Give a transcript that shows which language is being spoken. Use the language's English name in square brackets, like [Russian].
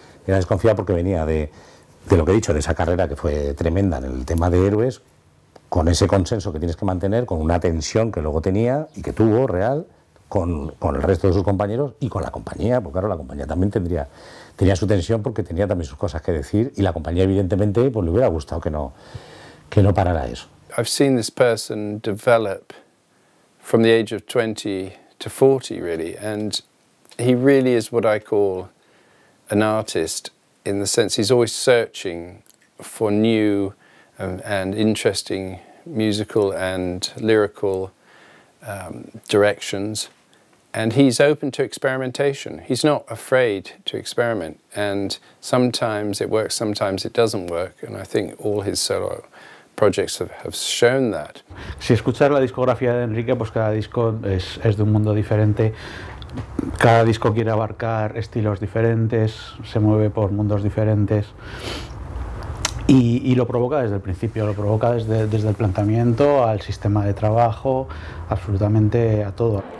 [Spanish] Era desconfiado porque venía de lo que he dicho, de esa carrera que fue tremenda en el tema de Héroes, con ese consenso que tienes que mantener, con una tensión que luego tenía y que tuvo real con el resto de sus compañeros y con la compañía, porque claro, la compañía también tenía su tensión porque tenía también sus cosas que decir y la compañía evidentemente pues le hubiera gustado que no parara eso. [English] I've seen this person develop from the age of 20 to 40 really, and he really is what I call an artist in the sense he's always searching for new and interesting musical and lyrical directions. And he's open to experimentation. He's not afraid to experiment. And sometimes it works, sometimes it doesn't work. And I think all his solo projects have shown that. [Spanish] Si escuchas la discografía de Enrique, pues cada disco es de un mundo diferente. Cada disco quiere abarcar estilos diferentes, se mueve por mundos diferentes. Y lo provoca desde el principio, lo provoca desde el planteamiento, al sistema de trabajo, absolutamente a todo.